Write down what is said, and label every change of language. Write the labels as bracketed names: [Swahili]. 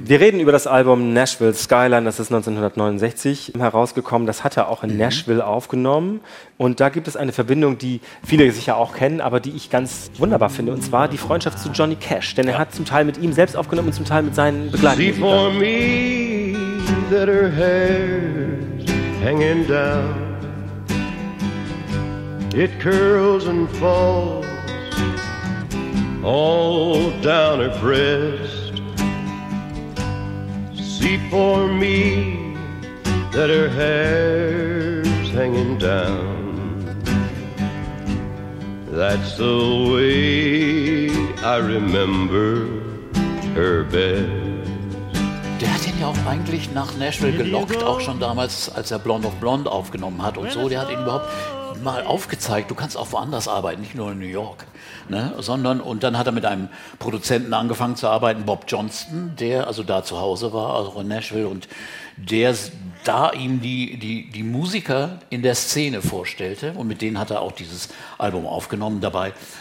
[German] Wir reden über das Album Nashville Skyline, das ist 1969 herausgekommen. Das hat er auch in Nashville aufgenommen. Und da gibt es eine Verbindung, die viele sicher auch kennen, aber die ich ganz wunderbar finde. Und zwar die Freundschaft zu Johnny Cash. Denn er hat zum Teil mit ihm selbst aufgenommen und zum Teil mit seinen Begleitern. [English] That her hair's hanging down, it curls and falls all down her breast. See for me that her hair's hanging down. That's the way I remember her best. [German] Der hat ihn ja auch eigentlich nach Nashville gelockt, auch schon damals, als er Blonde of Blonde aufgenommen hat und so. Der hat ihn überhaupt mal aufgezeigt, du kannst auch woanders arbeiten, nicht nur in New York, ne? Sondern, und dann hat er mit einem Produzenten angefangen zu arbeiten, Bob Johnston, der also da zu Hause war, auch in Nashville, und der da ihm die Musiker in der Szene vorstellte, und mit denen hat er auch dieses Album aufgenommen, dabei